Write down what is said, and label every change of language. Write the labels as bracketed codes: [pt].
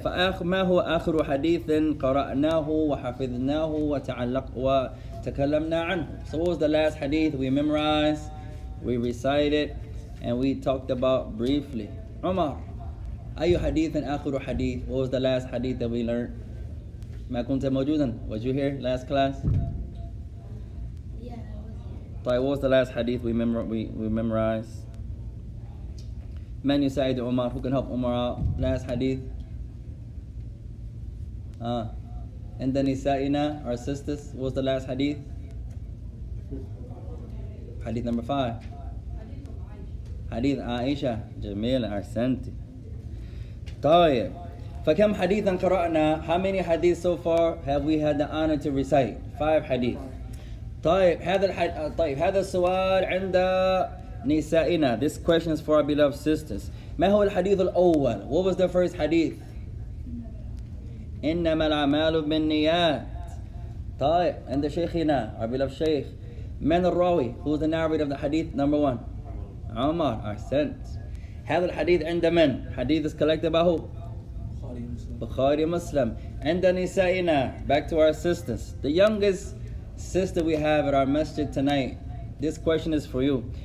[ar] فأخ ما هو آخر حديث قرأناه وحفظناه وتعلق وتكلمنا عنه. [en] So what was the last hadith we memorized, we recited, and we talked about briefly? [ar] عمر. أي حديث آخر حديث? [en] What was the last hadith that we learned? [ar] ما كنت موجوداً? [en] Was you here last class? طيب, what was the last hadith we memorized? [ar] Man يساعد [en] عمر, who can help عمر out? Last hadith. And then نسائنا, our sisters, what was the last hadith? Hadith number 5. Hadith Aisha. [ar] جميل, أحسنت. طيب, فكم حديثا قرأنا? [en] How many hadith so far have we had the honor to recite? 5 hadith. [ar] طيب هذا طيب هذا السؤال عند نسائنا. [en] This question is for our beloved sisters. [ar] ما هو الحديث الأول? [en] What was the first hadith? [ar] إنما الأعمال بالنيات. طيب عند شيخنا, [en] our beloved [ar] شيخ. من الراوي? [en] Who is the narrator of the hadith number 1? [ar] عمر. أحسنت. هذا الحديث عند من? [en] Hadith is collected by who? [ar] بخاري مسلم. عند نسائنا. [en] Back to our sisters. The youngest sister we have at our masjid tonight, this question is for you.